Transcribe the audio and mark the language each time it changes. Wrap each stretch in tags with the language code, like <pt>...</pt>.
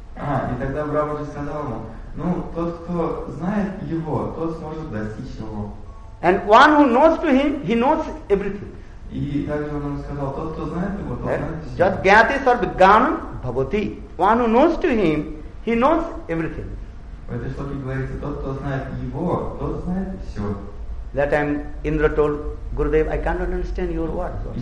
<ru>И тогда Брахмаджи сказал ему, тот, кто знает его, тот сможет достичь его.</ru> <en>And one who knows to him, he knows everything.</en> <ru>И также он сказал, тот, кто знает его, тот знает все.</ru> <sa>Just gyati sarvigyanam bhavati.</sa> <en>One who knows to him, he knows everything.</en> <ru>В этой шлоке говорится, тот, кто знает его, тот знает все.</ru> <en>That time Indra told Gurudev, I cannot understand your words.</en>